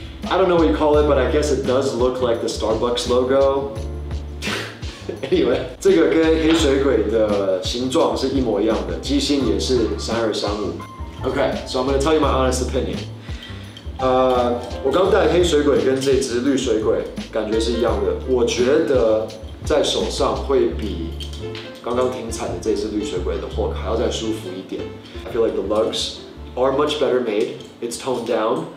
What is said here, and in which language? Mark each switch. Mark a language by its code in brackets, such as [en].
[en] I don't know what you call it, but I guess it does look like the Starbucks logo. [zh] Anyway, 这个跟黑水鬼的形状是一模一样的，机芯也是3235。 [en] Okay, so I'm going to tell you my honest opinion. [zh] 我刚戴黑水鬼跟这只绿水鬼感觉是一样的，我觉得在手上会比刚刚停产的这只绿水鬼的货还要再舒服一点。 [en] I feel like the lugs are much better made, it's toned down.